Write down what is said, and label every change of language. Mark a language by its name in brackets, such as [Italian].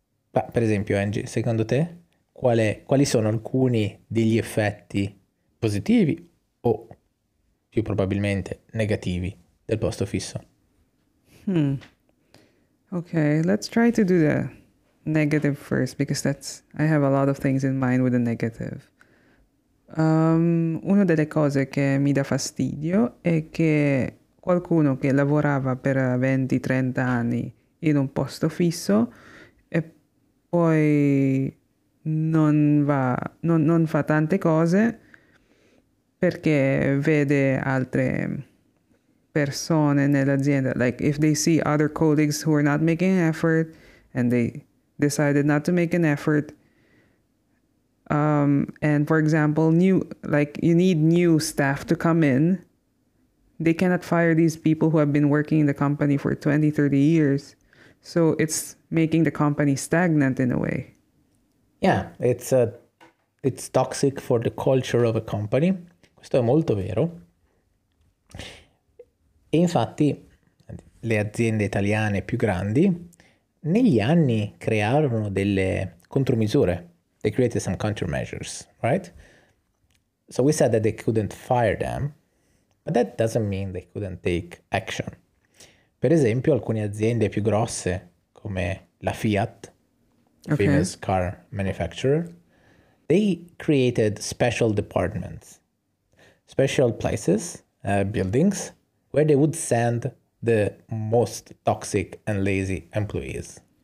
[Italian] Per esempio, Angie, secondo te, quali sono alcuni degli effetti positivi o più probabilmente negativi del posto fisso? [English] Okay, let's try to do the negative first because that's I have a lot of things in mind with the negative. [Italian] Una delle cose che mi dà fastidio è che qualcuno che lavorava per 20-30 anni in un posto fisso e poi non fa tante cose perché vede altre persone nell'azienda, [English] like if they see other colleagues who are not making an effort and they decided not to make an effort, and for example, you need new staff to come in, they cannot fire these people who have been working in the company for 20, 30 years. So it's making the company stagnant in a way. Yeah, it's toxic for the culture of a company. [Italian] Questo è molto vero. Infatti, le aziende italiane più grandi negli anni crearono delle contromisure. [English] They created some countermeasures, right? So we said that they couldn't fire them, but that doesn't mean they couldn't take action. [Italian] Per esempio, alcune aziende più grosse, come la Fiat, [English] Okay. famous car manufacturer, they created special departments, special places, buildings, where they would send the most toxic and lazy employees.